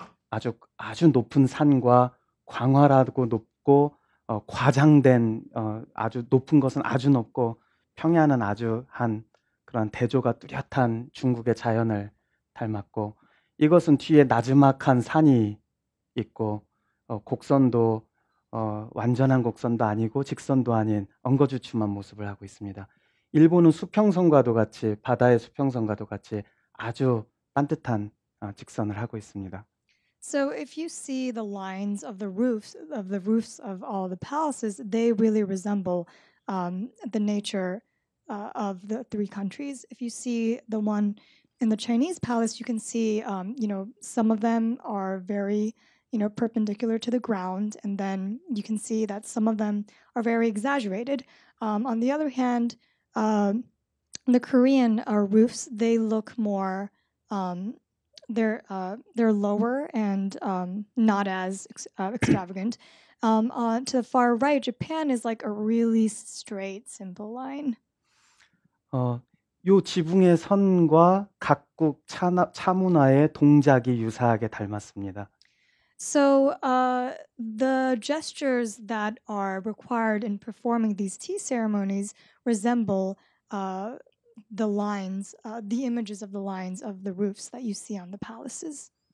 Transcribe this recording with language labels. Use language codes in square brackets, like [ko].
[ko] 아주 아주 높은 산과 광활하고 높고 과장된 아주 높은 것은 아주 높고 평야는 아주 한 그런 대조가 뚜렷한 중국의 자연을 닮았고 이것은 뒤에 나지막한 산이 있고 곡선도 완전한 곡선도 아니고 직선도 아닌 엉거주춤한 모습을 하고 있습니다. 일본은 수평선과도 같이 바다의 수평선과도 같이 아주 반듯한 직선을 하고 있습니다. [en] So if you see the lines of the roofs of all the palaces, they really resemble the nature of the three countries. If you see the one in the Chinese palace, you can see you know, some of them are very you know, perpendicular to the ground, and then you can see that some of them are very exaggerated. On the other hand, the Korean roofs, they look more, they're lower and not as extravagant. To the far right, Japan is like a really straight, simple line. [ko] 요 지붕의 선과 각국 차 문화의 동작이 유사하게 닮았습니다. [en] So the gestures that are required in performing these tea ceremonies resemble the lines, the images of the lines of the roofs that you see on the palaces.